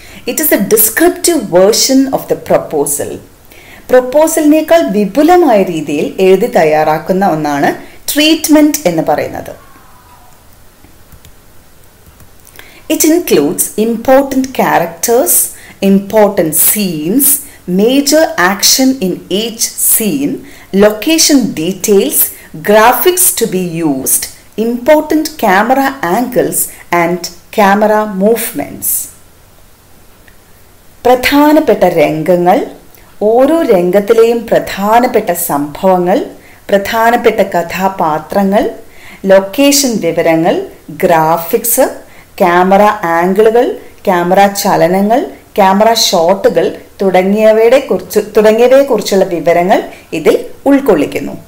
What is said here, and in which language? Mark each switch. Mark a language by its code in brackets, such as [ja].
[en] It is a descriptive version of the proposal. [ml] പ്രൊപ്പോസലിനേക്കാൾ വിപുലമായ രീതിയിൽ എഴുതി തയ്യാറാക്കുന്ന ഒന്നാണ് ട്രീറ്റ്മെൻറ്റ് എന്ന് പറയുന്നത്. [en] It includes important characters, important scenes, major action in each scene, location details, graphics to be used, important camera angles and camera movements. [ml] പ്രധാനപ്പെട്ട രംഗങ്ങൾ, ഓരോ രംഗത്തിലെയും പ്രധാനപ്പെട്ട സംഭവങ്ങൾ, പ്രധാനപ്പെട്ട കഥാപാത്രങ്ങൾ, ലൊക്കേഷൻ വിവരങ്ങൾ, ഗ്രാഫിക്സ്, ക്യാമറ ആംഗിളുകൾ, ക്യാമറ ചലനങ്ങൾ, ക്യാമറ ഷോട്ടുകൾ തുടങ്ങിയവയെക്കുറിച്ചുള്ള വിവരങ്ങൾ ഇതിൽ ഉൾക്കൊള്ളിക്കുന്നു.